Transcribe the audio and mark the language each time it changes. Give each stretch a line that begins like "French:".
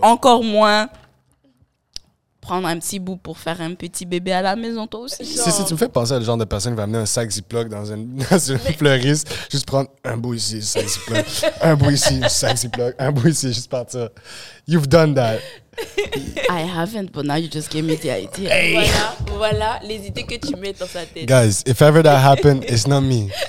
French: Encore moins prendre un petit bout pour faire un petit bébé à la maison, toi aussi. Si tu me fais penser à le genre de personne qui va amener un sac Ziploc dans une fleuriste, juste prendre un bout ici, un sac Ziploc, un bout ici, un sac Ziploc, un bout ici, juste partir.
English: You've done that. I haven't, but now you just gave me the idea. Hey.
French: Voilà les idées que tu mets dans ta tête.
English: Guys, if ever that happened, it's not me.